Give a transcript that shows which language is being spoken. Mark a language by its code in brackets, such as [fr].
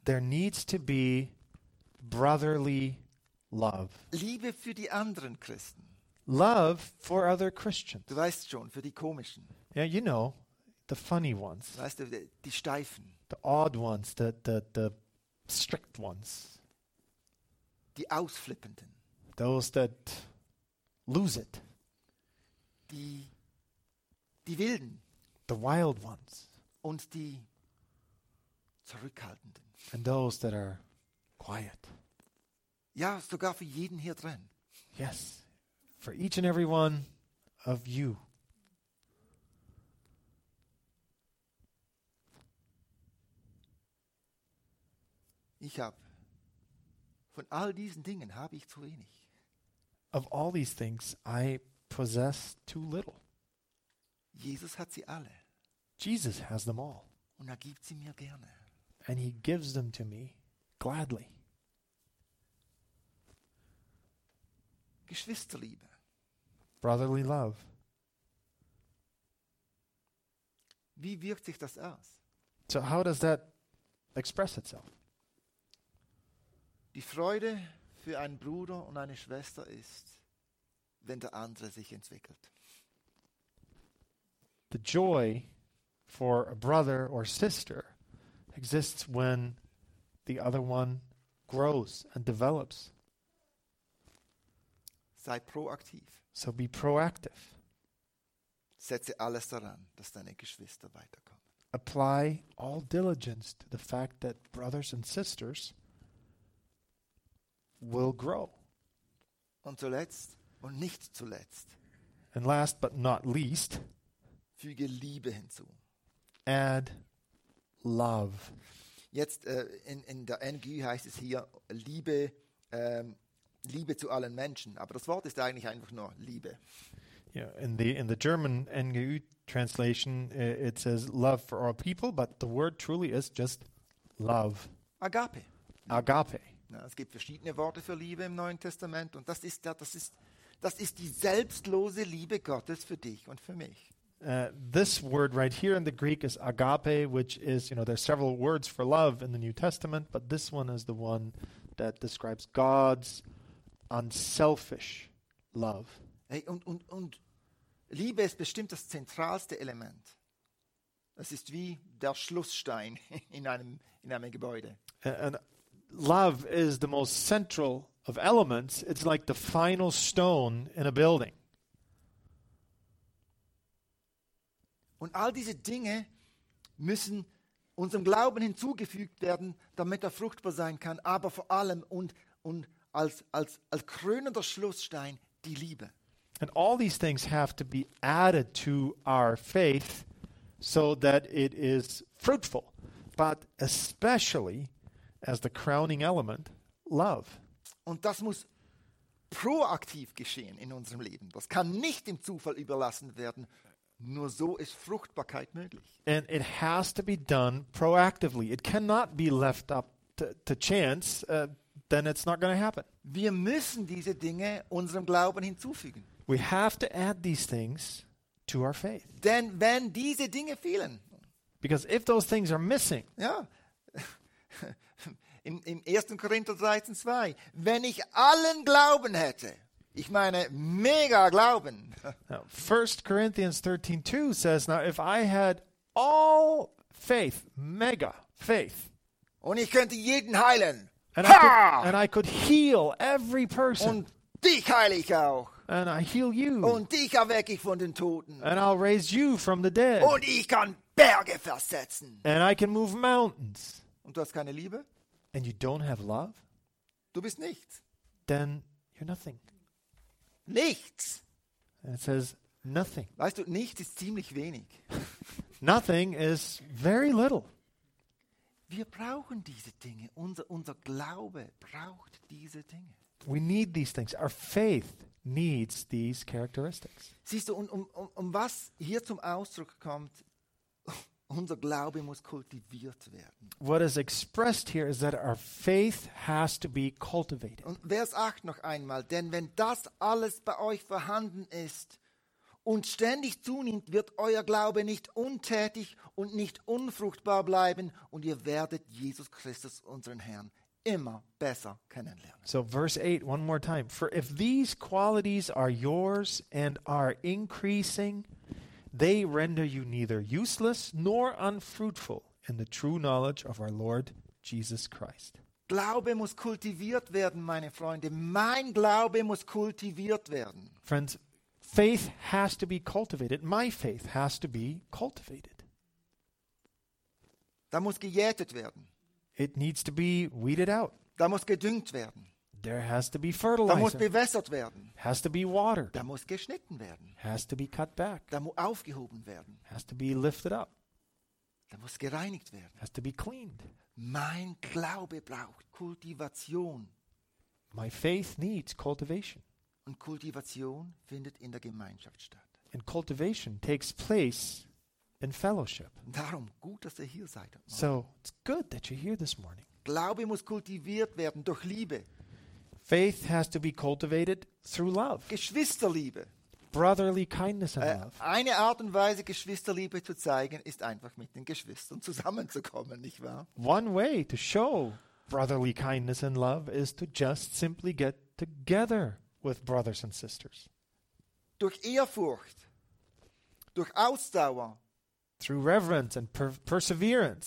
[en] There needs to be brotherly love. [de] Liebe für die anderen Christen. [en] Love for other Christians. [de] Du weißt schon, für die komischen. [en] Yeah, you know, the funny ones. [de] Weißt du, die steifen. [en] The odd ones, the strict ones. [de] Die ausflippenden. [en] Those that lose it. [de] Die wilden. [en] The wild ones. [de] Und die zurückhaltenden. [en] And those that are quiet. [de] Ja, sogar für jeden hier drin. [en] Yes, for each and every one of you. [de] Ich habe von all diesen Dingen habe ich zu wenig. [en] Of all these things, I possess too little. [de] Jesus hat sie alle. [en] Jesus has them all. [de] Und er gibt sie mir gerne. [en] And he gives them to me gladly. [de] Geschwisterliebe. [en] Brotherly love. [de] Wie wirkt sich das aus? [en] So how does that express itself? [de] Die Freude für einen Bruder und eine Schwester ist, wenn der andere sich entwickelt. [en] The joy for a brother or sister exists when the other one grows and develops. [de] Sei proaktiv. [en] So be proactive. [de] Setze alles daran, dass deine Geschwister weiterkommen. [en] Apply all diligence to the fact that brothers and sisters will grow. [de] Und zuletzt und nicht zuletzt. [en] And last but not least, [de] füge Liebe hinzu. [en] Add love. [de] Jetzt in der NGU heißt es hier Liebe. Liebe zu allen Menschen, aber das Wort ist eigentlich einfach nur Liebe. [en] Yeah, in the German NGU translation, it says love for all people, but the word truly is just love. [de] Agape. [en] Agape. [de] Ja, es gibt verschiedene Worte für Liebe im Neuen Testament und das ist die selbstlose Liebe Gottes für dich und für mich. [en] This word right here in the Greek is agape, which is, you know, there's several words for love in the New Testament, but this one is the one that describes God's unselfish love. [de] Hey, und Liebe ist bestimmt das zentralste Element. Es ist wie der Schlussstein in einem Gebäude. [en] And love is the most central of elements. It's like the final stone in a building. [de] Und all diese Dinge müssen unserem Glauben hinzugefügt werden, damit er fruchtbar sein kann, aber vor allem und als krönender Schlussstein die Liebe. [en] And all these things have to be added to our faith so that it is fruitful, but especially as the crowning element, love. [de] Und das muss proaktiv geschehen in unserem Leben. Das kann nicht dem Zufall überlassen werden. Nur so ist Fruchtbarkeit möglich. [en] And it has to be done proactively. It cannot be left up to chance, then it's not going to happen. [de] Wir müssen diese Dinge unserem Glauben hinzufügen. [en] We have to add these things to our faith. [de] Denn wenn diese Dinge fehlen. [en] Because if those things are missing. [de] Ja. Im 1. Korinther 13:2, wenn ich allen Glauben hätte. Ich meine, mega Glauben. [en] Now, 1 Corinthians 13:2 says, now if I had all faith, mega faith. [de] Und ich könnte jeden heilen. [en] And I could heal every person. [de] Und dich heile ich auch. [en] And I heal you. [de] Und dich erwecke ich von den Toten. [en] And I'll raise you from the dead. [de] Und ich kann Berge versetzen. [en] And I can move mountains. [de] Und du hast keine Liebe? [en] And you don't have love? [de] Du bist nichts. [en] Then you're nothing. [de] Nichts. [en] It says nothing. [de] Weißt du, nichts ist ziemlich wenig. [en] Nothing is very little. [de] Wir brauchen diese Dinge. Unser Glaube braucht diese Dinge. [en] We need these things. Our faith needs these characteristics. [de] Siehst du, um was hier zum Ausdruck kommt, unser Glaube muss kultiviert werden. [en] What is expressed here is that our faith has to be cultivated. [de] Und Vers 8 noch einmal, denn wenn das alles bei euch vorhanden ist und ständig zunimmt, wird euer Glaube nicht untätig und nicht unfruchtbar bleiben und ihr werdet Jesus Christus, unseren Herrn, immer besser kennenlernen. [en] So verse 8, one more time. For if these qualities are yours and are increasing, they render you neither useless nor unfruitful in the true knowledge of our Lord Jesus Christ. [de] Glaube muss kultiviert werden, meine Freunde. Mein Glaube muss kultiviert werden. [en] Friends, faith has to be cultivated. My faith has to be cultivated. [de] Da muss gejätet werden. [en] It needs to be weeded out. [de] Da muss gedüngt werden. [en] There has to be fertilizer. [de] Da muss bewässert werden. [en] Has to be watered. [de] Da muss geschnitten werden. [en] Has to be cut back. [de] Da muss aufgehoben werden. [en] Has to be lifted up. [de] Da muss gereinigt werden. [en] Has to be cleaned. [de] Mein Glaube braucht Kultivation. [en] My faith needs cultivation. [de] Und Kultivation findet in der Gemeinschaft statt. [en] And cultivation takes place in fellowship. [de] Darum gut, dass ihr hier seid. [en] So it's good that you're here this morning. [de] Glaube muss kultiviert werden durch Liebe. [en] Faith has to be cultivated through love. [de] Geschwisterliebe. [en] Brotherly kindness and love. [de] Eine Art und Weise, Geschwisterliebe zu zeigen, ist einfach mit den Geschwistern zusammenzukommen, nicht wahr? [en] One way to show brotherly kindness and love is to just simply get together with brothers and sisters. [de] Durch Ehrfurcht. Durch Ausdauer. [en] Through reverence and perseverance.